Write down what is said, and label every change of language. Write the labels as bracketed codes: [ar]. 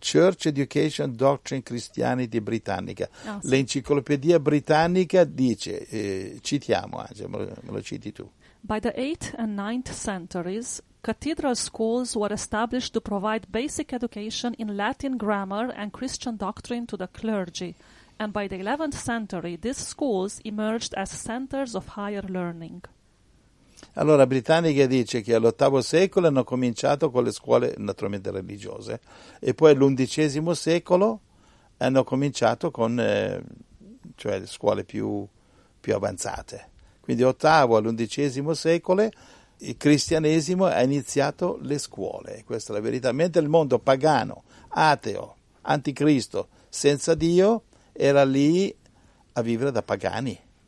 [en] Church Education Doctrine Christianity Britannica. [it] Oh, sì. L'enciclopedia britannica dice, citiamo, Angela, me lo citi tu. [en] By the 8th and 9th centuries, cathedral schools were established to provide basic education in Latin grammar and Christian doctrine to the clergy. And by the 11th century, these schools emerged as centers of higher learning. [it] Allora, Britannica dice che all'ottavo secolo hanno cominciato con le scuole naturalmente religiose, e poi all'undicesimo secolo hanno cominciato con cioè le scuole più avanzate. Quindi ottavo all'undicesimo secolo il cristianesimo ha iniziato le scuole, questa è la verità, mentre il mondo pagano, ateo, anticristo, senza Dio, era lì a vivere da pagani.